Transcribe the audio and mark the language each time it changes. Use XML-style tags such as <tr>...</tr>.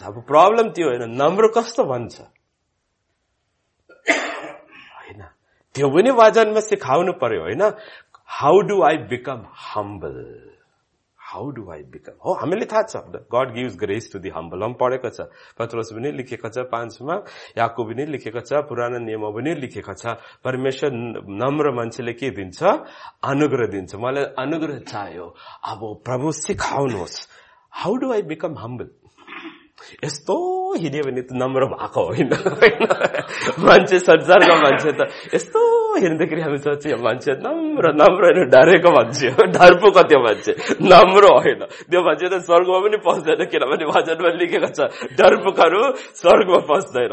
<ne>अब प्रब्लम त्यो होइन, नम्र कस्तो भन्छ होइन, त्यो पनि वचनमा सिकाउनु पर्यो। होइन,</ne> <en>how do I become humble, how do I become,</en> <ne>हो हामीले थाहा छ,</ne> <en>God gives grace to the humble</en> <ne>पढेको छ, पत्रोस पनि लिखेको छ, पाँचमा याकुब पनि लिखेको छ, पुरानो नियममा पनि लिखेको छ। परमेश्वर नम्र मान्छेले के दिन्छ? अनुग्रह दिन्छ। मलाई अनुग्रह चाहियो, अब प्रभु सिकाउनुहोस्,</ne> <en>How do I become humble.</en> <ne>यस्तो हिँड्यो भने त नम्र भएको होइन, मान्छे संसारको मान्छे त यस्तो हिँड्दाखेरि हामी सोच्छ मान्छे नम्र नम्र होइन, डरेको मान्छे हो, डरपोको त्यो मान्छे नम्र होइन, त्यो मान्छे त स्वर्गमा पनि पस्दैन, किनभने वचनमा लेखेको छ डरपोकहरू स्वर्गमा पस्दैन।</ne>